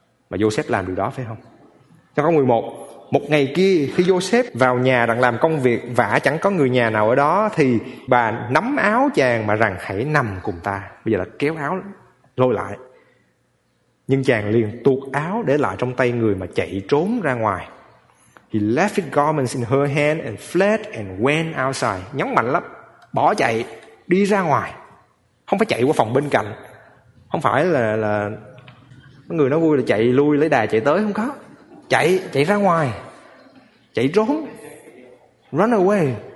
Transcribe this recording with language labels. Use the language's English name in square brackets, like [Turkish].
[Vietnamese] Mà Joseph làm điều đó phải không? Trong câu 11, một ngày kia khi Joseph vào nhà đang làm công việc vả chẳng có người nhà nào ở đó, thì bà nắm áo chàng mà rằng hãy nằm cùng ta. Bây giờ là kéo áo lôi lại. Nhưng chàng liền tuột áo để lại trong tay người mà chạy trốn ra ngoài. [English] He left his garments in her hand and fled and went outside. [Vietnamese] Nhấn mạnh lắm, bỏ chạy, đi ra ngoài. Không phải chạy qua phòng bên cạnh. Không phải là người nó vui là chạy lui lấy đà chạy tới, không có. Chạy ra ngoài. Chạy trốn. [English] Run away.